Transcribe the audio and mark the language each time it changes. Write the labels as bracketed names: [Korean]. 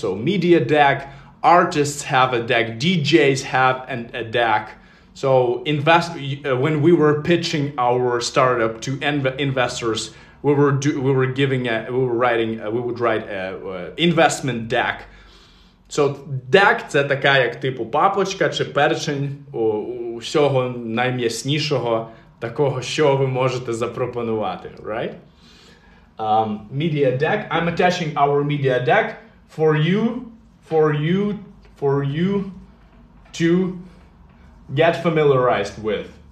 [English] So media deck, artists have a deck, DJs have a deck. So when we were pitching our startup to investors, we would write investment deck. [Ukrainian] So deck це така як типу папочка чи перечень усього найм'яснішого такого, що ви можете запропонувати, right? [English] Media deck. I'm attaching our media deck for you to get familiarized with.